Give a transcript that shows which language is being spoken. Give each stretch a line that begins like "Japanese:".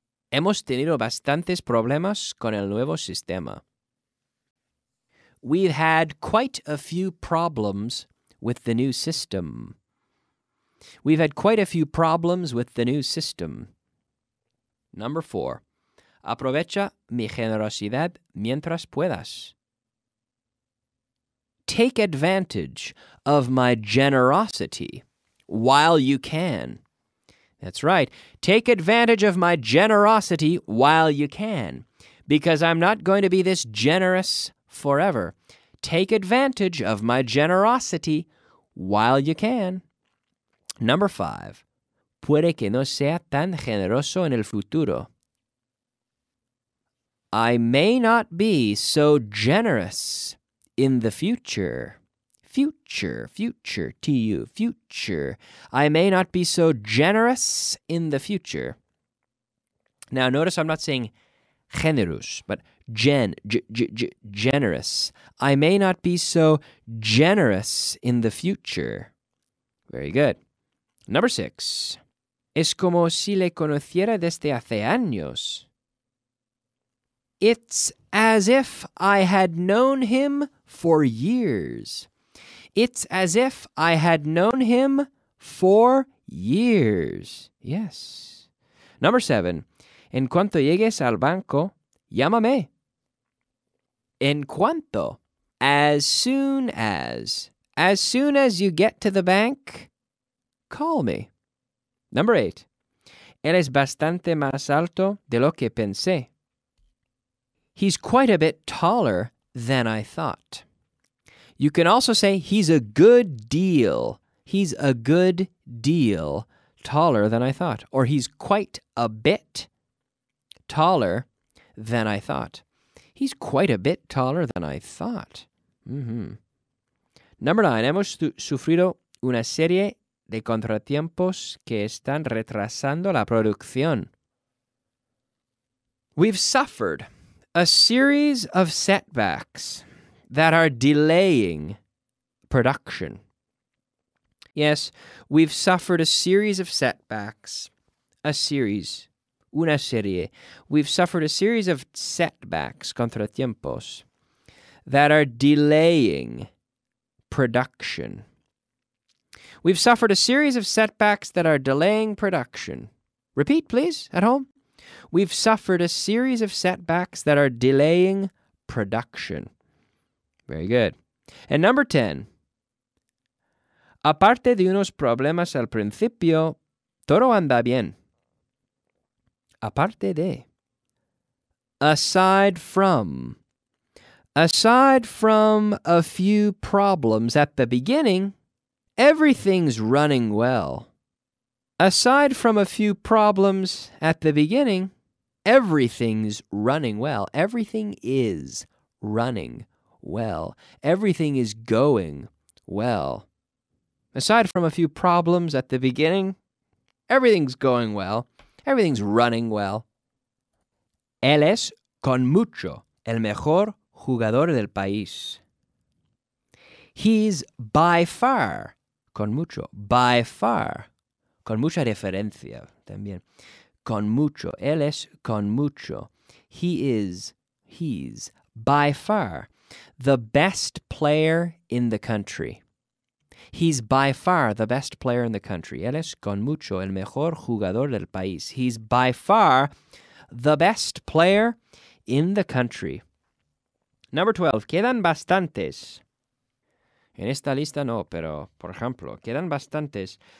Spanish: Hemos tenido bastantes problemas con el nuevo sistema.
English: We've had quite a few problems with the new system. We've had quite a few problems with the new system. Number 4.
Spanish: Aprovecha mi generosidad mientras puedas.
English: Take advantage of my generosity while you can. That's right. Take advantage of my generosity while you can, because I'm not going to be this generous forever. Take advantage of my generosity while you can. Number 5.
Spanish: Puede que no sea tan generoso en el futuro.
English: I may not be so generous in the future. Future, future, T-U, future. I may not be so generous in the future. Now, notice I'm not saying generous, but generous. I may not be so generous in the future. Very good. Number 6.
Spanish: Es como si le conociera desde hace años.
English: It's as if I had known him for years. It's as if I had known him for years. Yes. Number 7.
Spanish: En cuanto llegues al banco, llámame. En cuanto,
English: as soon as you get to the bank, call me. Number 8.
Spanish: Eres bastante más alto de lo que pensé.
English: He's quite a bit taller than I thought. You can also say he's a good deal. He's a good deal taller than I thought. Or he's quite a bit taller than I thought. He's quite a bit taller than I thought. Mm-hmm. Number 9.
Spanish: Hemos sufrido una serie de contratiempos que están retrasando la producción.
English: We've suffered a series of setbacks that are delaying production. Yes, we've suffered a series of setbacks. A series.
Spanish: Una serie.
English: We've suffered a series of setbacks,
Spanish: contratiempos,
English: that are delaying production. We've suffered a series of setbacks that are delaying production. Repeat, please, at home. We've suffered a series of setbacks that are delaying production. Very good. And number 10.
Spanish: Aparte de unos problemas al principio, todo anda bien. Aparte de.
English: Aside from. Aside from a few problems at the beginning, everything's running well. Aside from a few problems at the beginning, everything's running well. Everything is running well. Everything is going well. Aside from a few problems at the beginning, everything's going well. Everything's running well.
Spanish: Él es, con mucho, el mejor jugador del país.
English: He's by far,
Spanish: con mucho, by far, con mucha diferencia también. Con mucho, él es con mucho.
English: He's by far the best player in the country. He's by far the best player in the country.
Spanish: Él es con mucho el mejor jugador del país.
English: He's by far the best player in the country. Number 12.
Spanish: Quedan bastantes. En esta lista no, pero, por ejemplo, quedan bastantes.